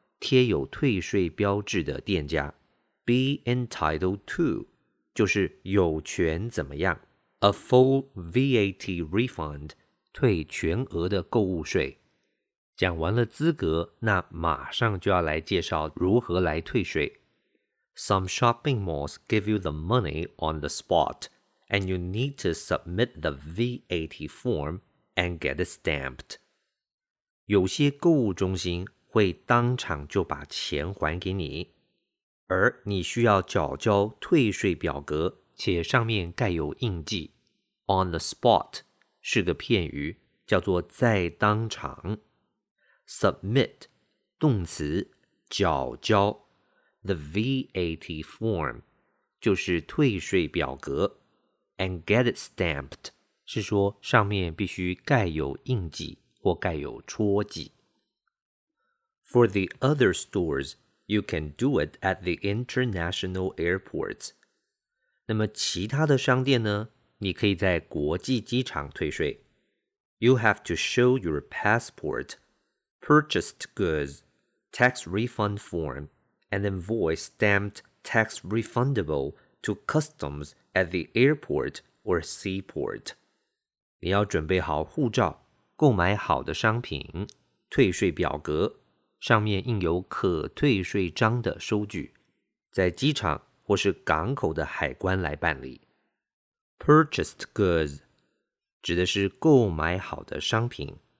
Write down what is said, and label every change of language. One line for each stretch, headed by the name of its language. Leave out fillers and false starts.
Chinese: 贴有退税标志的店家
English: be entitled to,
Chinese: 就是有权怎么样
English: a full VAT refund,
Chinese: 退全额的购物税。讲完了资格，那马上就要来介绍如何来退税。
English: Some shopping malls give you the money on the spot, and you need to submit the VAT form and get it stamped.
Chinese: 有些购物中心会当场就把钱还给你，而你需要缴交退税表格，且上面盖有印记。 on the spot 是个片语，叫做在当场。 Submit 动词，缴交。 The VAT form 就是退税表格。 And get it stamped 是说上面必须盖有印记或盖有戳记。
English: For the other stores, you can do it at the international airports.
Chinese: 那么其他的商店呢？你可以在国际机场退税。
English: You have to show your passport, purchased goods, tax refund form, and invoice stamped tax refundable to customs at the airport or seaport.
Chinese: 你要准备好护照，购买好的商品，退税表格。上面印有可退税章的收据，在机场或是港口的海关来办理。 Purchased goods 指的是购买好的商品。